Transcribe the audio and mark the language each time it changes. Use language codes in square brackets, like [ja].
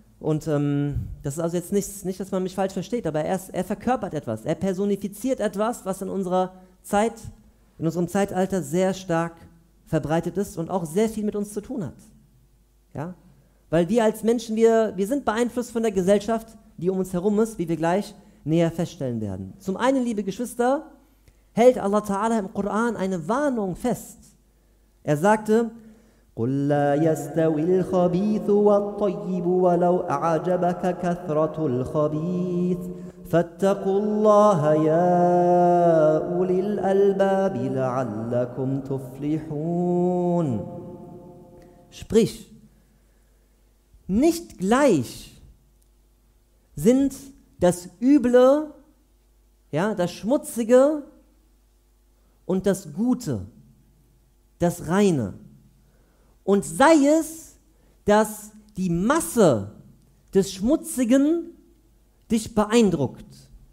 [de] Und das ist also jetzt nicht, dass man mich falsch versteht, aber er verkörpert etwas, er personifiziert etwas, was in unserer Zeit, in unserem Zeitalter sehr stark verbreitet ist und auch sehr viel mit uns zu tun hat. Ja? Weil wir als Menschen, wir sind beeinflusst von der Gesellschaft, die um uns herum ist, wie wir gleich näher feststellen werden. Zum einen, liebe Geschwister, hält Allah Ta'ala im Koran eine Warnung fest. Er sagte, [ar] قل لا يستوي الخبيث والطيب ولو أعجبك كثرة الخبيث فاتقوا الله يا أولي الألباب لعلكم تفلحون. [de] Sprich, nicht gleich sind das Üble, ja, das Schmutzige und das Gute, das Reine. Und sei es, dass die Masse des Schmutzigen dich beeindruckt.